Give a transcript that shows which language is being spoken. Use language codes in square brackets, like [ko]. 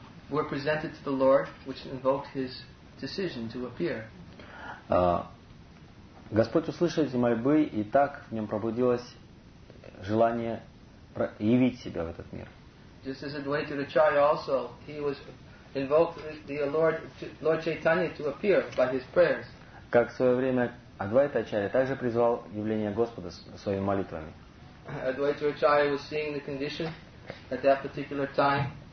[en] were presented to the Lord, which invoked his decision to appear. [ru] Господь услышал эти мольбы, и так в нем пробудилось желание явить себя в этот мир. [en] Just as Advaita Acharya also, he was invoked the Lord Chaitanya to appear by his prayers. [ru] Как в свое время Адвайта Ачарья также призвал явление Господа своими молитвами. [en] Advaita Acharya was seeing the condition at that particular time.